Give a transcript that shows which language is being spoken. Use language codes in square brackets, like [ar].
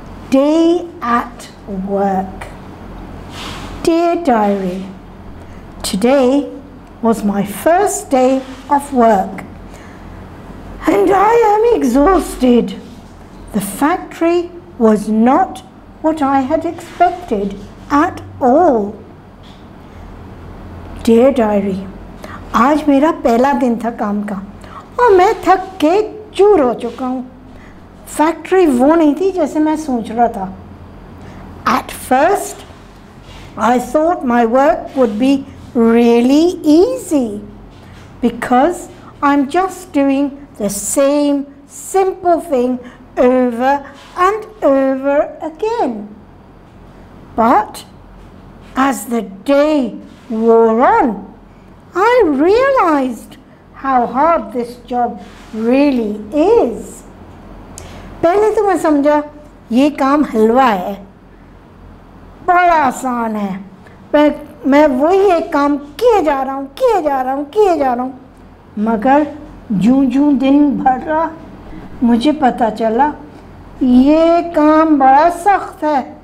[en] Day at work. Dear diary, today was my first day of work and I am exhausted. The factory was not what I had expected at all. [hi] Dear diary, आज मेरा पहला दिन था काम का और मैं थक के चूर हो चुका हूँ. फैक्ट्री वो नहीं थी जैसे मैं सोच रहा था. [en] At first, I thought my work would be really easy because I'm just doing the same simple thing over and over again. But as the day wore on, I realized how hard this job really is. [hi] पहले तो मैं समझा ये काम हलवा है, बड़ा आसान है. मैं वही एक काम किए जा रहा हूँ. मगर जूं जूं दिन भर रहा मुझे पता चला ये काम बड़ा सख्त है.